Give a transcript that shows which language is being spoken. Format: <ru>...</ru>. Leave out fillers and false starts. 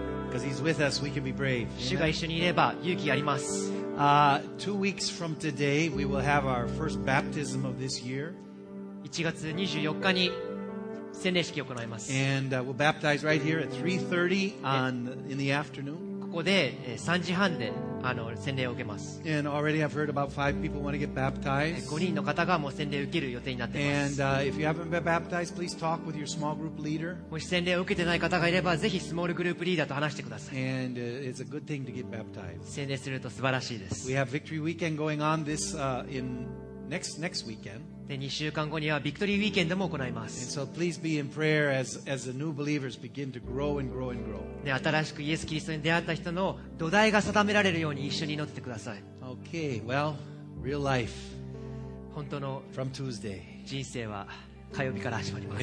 <ja>主が一緒にいれば勇気あります。</ja> <en>2 weeks from today we will have our first baptism of this year.</en> <ja>1月24日に洗礼式を行います。</ja> <en>And we'll baptize right here at 3:30 in the afternoon.</en> <ja>ここで3時半で洗礼を受けます。</ja> <en>And already I've heard about 5 people want to get baptized.</en> <ja>5人の方がもう洗礼を受ける予定になっています</ja> <en>And if you haven't been baptized, please talk with your small group leader.</en> <ja>もし洗礼を受けてない方がいればぜひスモールグループリーダーと話してください。</ja> <en>And it's a good thing to get baptized.</en> <ja>洗礼すると素晴らしいです。</ja> <en>We have Victory Weekend going on this in next weekend.</en> <ja>で2週間後にはビクトリーウィーケンドも行います。</ja> <en>And so please be in prayer as the new believers begin to grow and grow and grow.</en> <ja>で新しくイエス・キリストに出会った人の土台が定められるように一緒に祈ってください。</ja> <en>Okay, well, real life.</en> <ja>本当の</ja> <en>from Tuesday.</en> <ja>人生は火曜日から始まります。</ja>